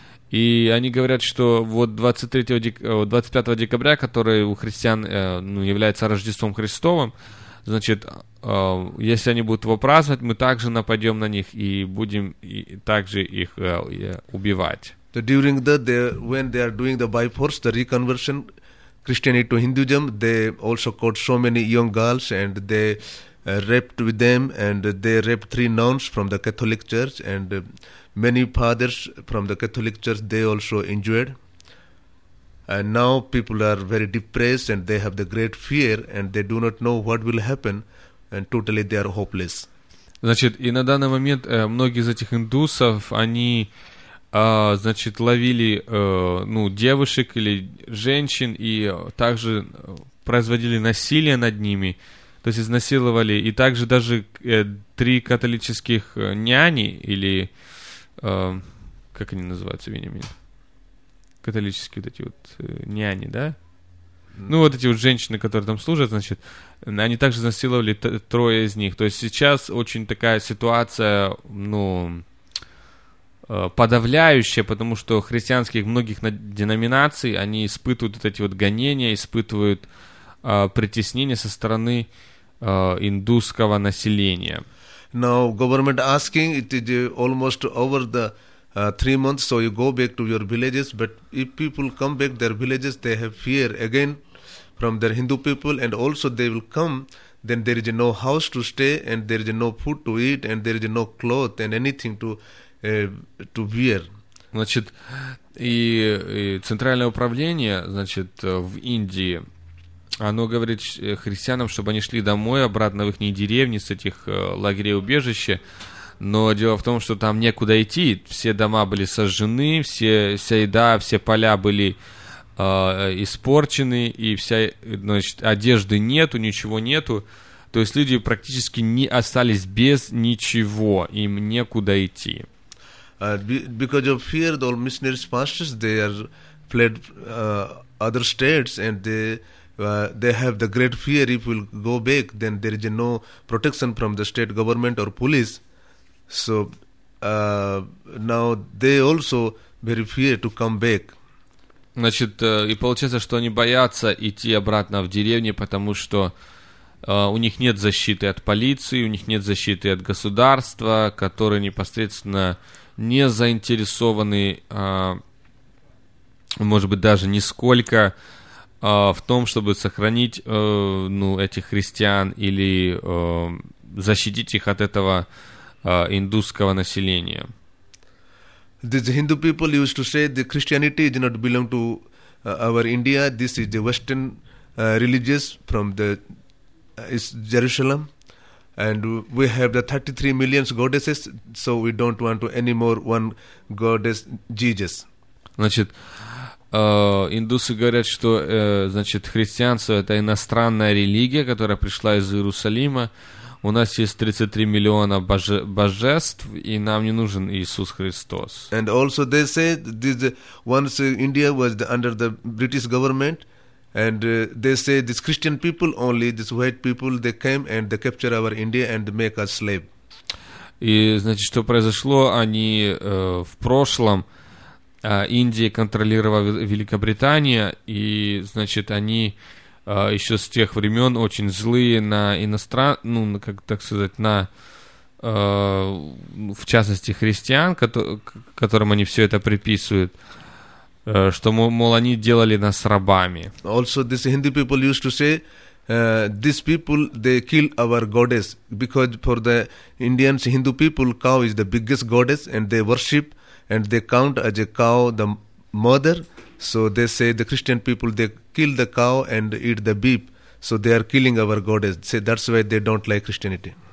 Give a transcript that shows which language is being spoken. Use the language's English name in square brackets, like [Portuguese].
[Russian] И они говорят, что вот 25 декабря, который у христиан, ну, является Рождеством Христовым, значит, если они будут его праздновать, мы также нападем на них и будем также их убивать. [English] So during when they are doing the by force, the reconversion Christianity to Hinduism, they also caught so many young girls and they raped with them, and they raped 3 nuns from the Catholic Church, and many fathers from the Catholic Church, they also injured. And now people are very depressed and they have the great fear and they do not know what will happen, and totally they are hopeless. [Russian] Значит, и на данный момент многие из этих индусов, они, значит, ловили, ну, девушек или женщин и также производили насилие над ними. То есть изнасиловали, и также даже 3 католических няни, или как они называются, Вениамин? Католические вот эти вот няни, да? Ну, вот эти вот женщины, которые там служат, значит, они также изнасиловали 3 из них. То есть сейчас очень такая ситуация, ну, подавляющая, потому что христианских многих деноминаций, они испытывают вот эти вот гонения, испытывают притеснение со стороны индусского населения. [English] Now government asking, it is almost over the 3 months, so you go back to your villages, but if people come back their villages, they have fear again from their Hindu people, and also they will come, then there is no house to stay, and there is no food to eat, and there is no cloth and anything to wear. [Russian] Значит, и центральное управление, значит, в Индии, оно говорит христианам, чтобы они шли домой, обратно в их деревни, с этих лагерей убежища. Но дело в том, что там некуда идти. Все дома были сожжены, вся еда, все поля были испорчены, и вся, значит, одежды нету, ничего нету. То есть люди практически не остались без ничего, им некуда идти. [English] Because of fear, all missionary pastors, they are fled other states, and they... they have the great fear if we'll go back, then there is no protection from the state government or police. So now they also very fear to come back. [Russian] Значит, и получается, что они боятся идти обратно в деревню, потому что у них нет защиты от полиции, у них нет защиты от государства, которые непосредственно не заинтересованы, может быть, даже нисколько в том, чтобы сохранить, ну, этих христиан или защитить их от этого индусского населения. [English] These Hindu people used to say the Christianity does not belong to our India. This is the Western religious from the Jerusalem, and we have the 33 million goddesses, so we don't want to any more one goddess Jesus. [Russian] Значит, индусы говорят, что, значит, христианство — это иностранная религия, которая пришла из Иерусалима. У нас есть 33 миллиона божеств, и нам не нужен Иисус Христос. [English] And also they say this, once India was under the British government, and they say this Christian people only, this white people, they came and they capture our India and make us slave. [Russian] И, значит, что произошло, они в прошлом... Индия контролировала Великобритания, и, значит, они еще с тех времен очень злые на иностранцев, ну, как так сказать, на в частности, христиан, которым они все это приписывают, что, мол, они делали нас рабами. [English] Also, this Hindu people used to say, these people, they kill our goddess, because for the Indians, Hindu people, cow is the biggest goddess, and they worship, and they count as a cow, the mother, so they say the Christian people, they kill the cow and eat the beef, so they are killing our goddess, so that's why they don't like Christianity.